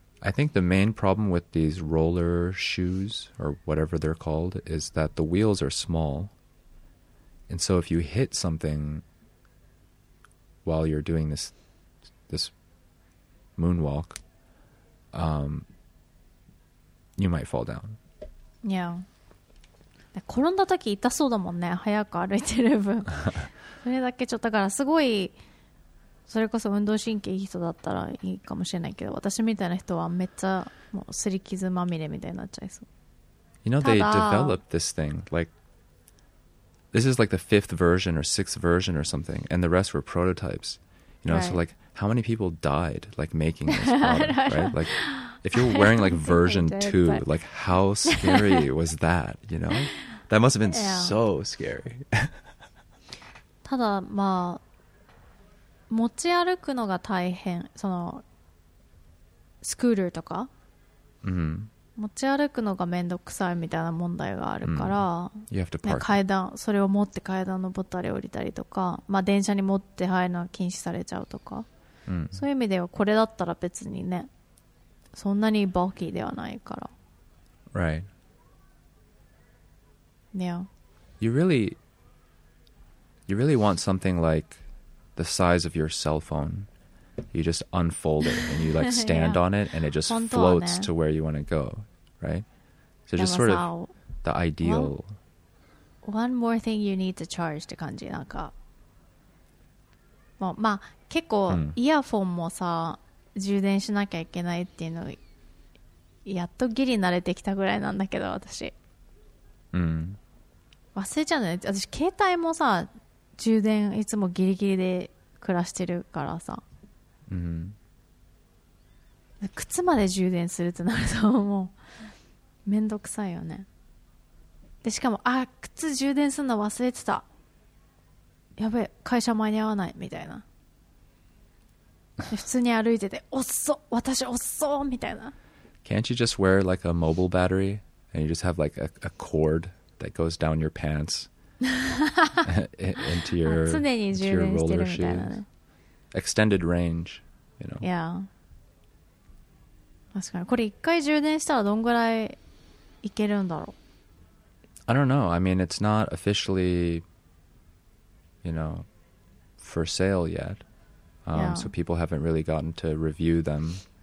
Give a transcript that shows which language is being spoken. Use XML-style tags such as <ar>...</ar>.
<en>I think the main problem with these roller shoes or whatever they're called is that the wheels are small. And so if you hit something while you're doing this moonwalk, you might fall down. Yeah.</en> <ja>転んだ時痛そうだもんね。早く歩いてる分。それだけちょっとだからすごいそれこそ運動神経いい人だったらいいかもしれないけど、私みたいな人はめっちゃもう擦り傷まみれみたいになっちゃいそう。</ja> <en>You know, they developed this thing, like,This is like the fifth version or sixth version or something, and the rest were prototypes. You know, right. so like how many people died like making this product, right? Like if you're wearing like version two, like how scary was that, you know? That must have been so scary.</en> <ja>ただまあ持ち歩くのが大変そのスクーターとか、持ち歩くのがめんどくさいみたいな問題があるから、ね、階段それを持って階段登ったり降りたりとか、まあ、電車に持って入るのは禁止されちゃうとか、そういう意味ではこれだったら別にねそんなにバッキーではないから</ja> <en>Right Yeah You really want something like the size of your cell phoneYou just unfold it and you like stand yeah. on it and it just floats to where you want to go, right? So just sort of the ideal. One more thing you need to charge</en> <ja>って感じなんか。まあ、まあ、結構イヤフォンもさ、充電しなきゃいけないっていうのやっとギリ慣れてきたぐらいなんだけど私。忘れちゃうね。私携帯もさ、充電いつもギリギリで暮らしてるからさ。 Mm-hmm. 靴まで充電するってなるともうめんどくさいよねでしかもあ靴充電するの忘れてたやべえ会社間に合わないみたいなで普通に歩いてておっそ私おっそみたいな</ja> <en>Can't you just wear like a mobile battery and you just have like a cord that goes down your pants into your roller shoes</en> <ja>常に充電してるみたいなね</ja> <en>extended range, you know.</en> <ja>Yeah. 確かに。これ一回充電したらどんぐらいいけるんだろう?</ja> <en>I don't know. I mean, it's not officially, you know, for sale yet. So people haven't really gotten to review them.</en>